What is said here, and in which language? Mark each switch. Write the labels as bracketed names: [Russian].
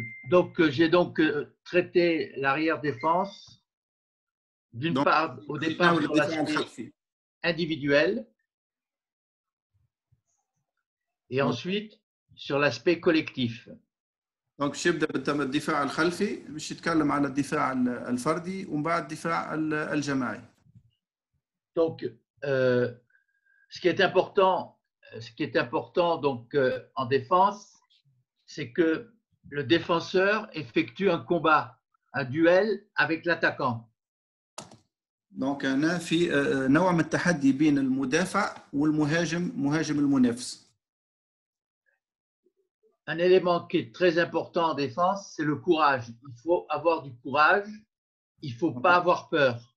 [French] Donc j'ai donc traité l'arrière-défense, d'une part, au départ, sur l'aspect individuel, et ensuite, sur l'aspect collectif. [Arabic] دونك شي يبدا بالدفاع الخلفي باش يتكلم على الدفاع الفردي ومن بعد الدفاع الجماعي [French] دونك ce qui est important donc en défense c'est que le défenseur effectue un combat un duel avec l'attaquant [Arabic] دونك انا في نوع من التحدي بين المدافع والمهاجم مهاجم المنافس. [French] Un élément qui est très important en défense, c'est le courage. Il faut avoir du courage, il ne faut pas avoir peur.